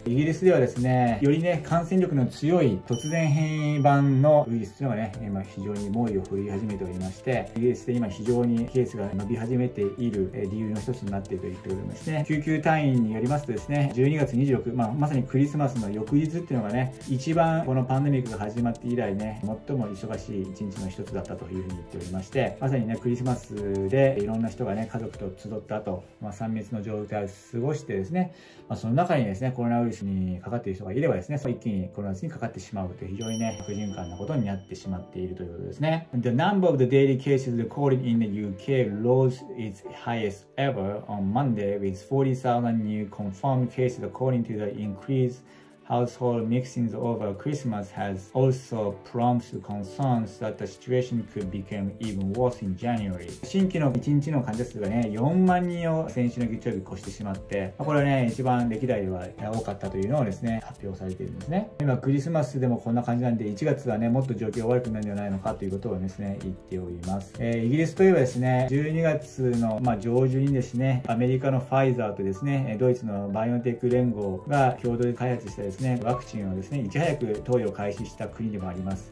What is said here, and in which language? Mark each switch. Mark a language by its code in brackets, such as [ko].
[ja] イギリスではですね、よりね感染力の強い突然変異版のウイルスというのがね今非常に猛威を振るい始めておりまして、イギリスで今非常にケースが伸び始めている理由の一つになっていると言っておりまして、救急隊員によりますとですね、12月26、まあ、まさにクリスマスの翌日っていうのがね、一番このパンデミックが始まって以来ね最も忙しい一日の一つだったというふうに言っておりまして、まさにねクリスマスでいろんな人がね家族と集った後、まあ、3密の状態を過ごしてですね、まあ、その中にですねコロナウイルスにかかっている人がいればですね、一気にコロナウイルスにかかってしまうという非常にね悪循環なことになってしまっているということですね。 [en] The number of the daily cases recorded in the UK rose its highest everOn Monday, with 40,000 new confirmed cases, according to the increased household mixings over Christmas, has also prompted concerns that the situation could become even worse in January. [ja] 新規の1日の患者数がね、4万人を先週の月曜日越してしまって、これはね、一番歴代では多かったというのをですね、発表されているんですね。今、クリスマスでもこんな感じなんで、1月はね、もっと状況が悪くなるんじゃないのかということをですね、言っております。イギリスといえばですね、12月の、まあ、上旬にですね、アメリカのファイザーとですね、ドイツのバイオンテック連合が共同で開発したですね、ワクチンをですねいち早く投与開始した国でもあります。